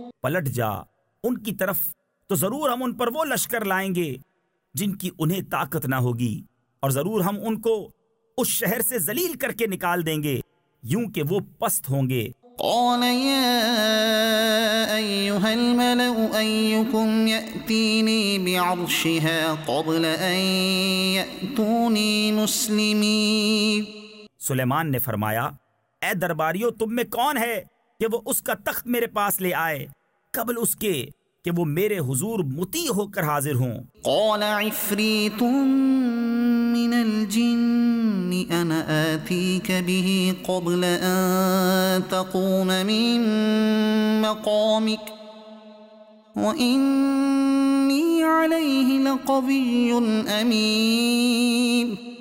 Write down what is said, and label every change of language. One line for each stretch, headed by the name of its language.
Urdu: پلٹ جا ان کی طرف تو ضرور ہم ان پر وہ لشکر لائیں گے جن کی انہیں طاقت نہ ہوگی اور ضرور ہم ان کو اس شہر سے ذلیل کر کے نکال دیں گے یوں کہ وہ پست ہوں گے.
Arabic: قال يا أيها الملأ أيكم يأتيني بعرشها قبل أن يأتوني مسلمين.
Urdu: سلیمان نے فرمایا، اے درباریوں تم میں کون ہے کہ وہ اس کا تخت میرے پاس لے آئے قبل اس کے کہ وہ میرے حضور مطیع ہو کر حاضر ہوں.
Arabic: قال عفریتم من الجن انا آتیک به قبل ان تقوم من مقامک وانی علیہ لقوی امین.